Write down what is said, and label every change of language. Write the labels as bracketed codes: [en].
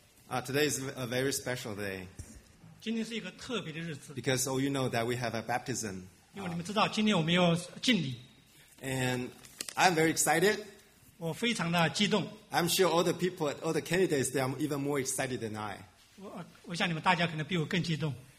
[en] Michael? Today is a very special day. [zh] 今天是一个特别的日子。 [en] Because all you know that we have a baptism. [zh] 因为你们知道今天我们要敬礼。 [en] And I'm very excited. [zh] 我非常的激动。 [en] I'm sure all the people, all the candidates, they are even more excited than I. [zh] 我想你们大家可能比我更激动。